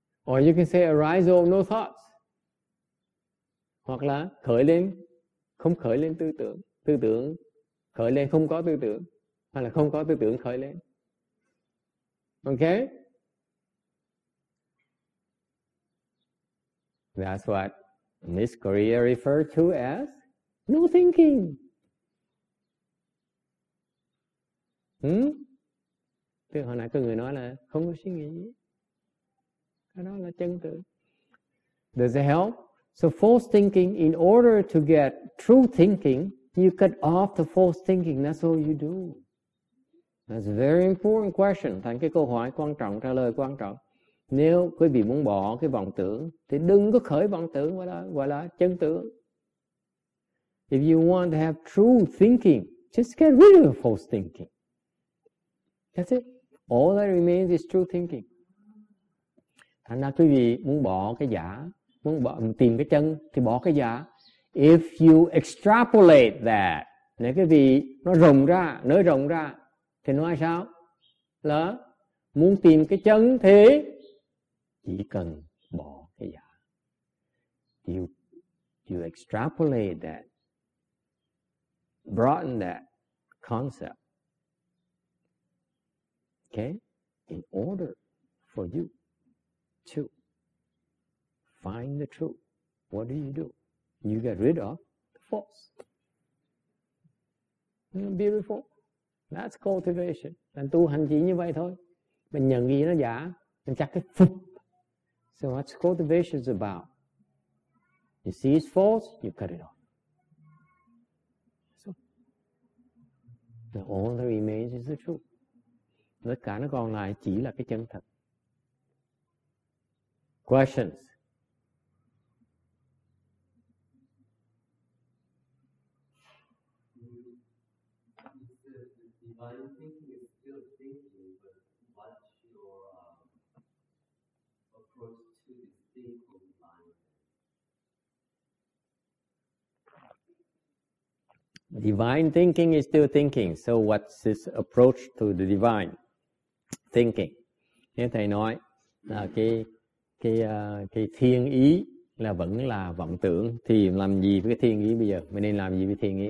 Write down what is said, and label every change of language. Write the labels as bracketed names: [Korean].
[English] Or you can say arisal of no thoughts. [Vietnamese] Hoặc là khởi lên, không khởi lên tư tưởng. Tư tưởng khởi lên không có tư tưởng. Hoặc là không có tư tưởng khởi lên. [English] Ok? That's what Miss Korea referred to as no thinking. [Vietnamese] Từ hồi nãy có người nói là không có suy nghĩ gì. Cái đó là chân tưởng. [English] Does it help? So false thinking, in order to get true thinking, you cut off the false thinking. That's all you do. That's a very important question. [Vietnamese] Thành cái câu hỏi quan trọng, trả lời quan trọng. Nếu quý vị muốn bỏ cái vọng tưởng, thì đừng có khởi vọng tưởng, gọi là chân tưởng. [English] If you want to have true thinking, just get rid of the false thinking. That's it. All that remains is true thinking. [Vietnamese] Thành ra quý vị muốn bỏ cái giả, muốn bỏ, tìm cái chân, thì bỏ cái giả. [English] If you extrapolate that, [Vietnamese] nếu quý vị nó rộng ra, nới rộng ra, thì nói sao? Là muốn tìm cái chân thì chỉ cần bỏ cái giả. [English] You extrapolate that, broaden that concept. Okay? In order for you to find the truth, what do? You get rid of the false. Beautiful. That's cultivation. [Vietnamese] Mình tu hành chỉ như vậy thôi. Mình nhận gì nó giả, mình chắc cái phục. [English] So what's cultivation is about? You see it's false, you cut it off. So, all that remains is the truth. [Vietnamese] Tất cả nó còn lại chỉ là cái chân thật. [English] Questions? Divine thinking is still thinking. So what's this approach to the divine thinking? [Vietnamese] Như thầy nói là cái thiên ý là vẫn là vọng tưởng, thì làm gì với cái thiên ý bây giờ? Mình nên làm gì với thiên ý?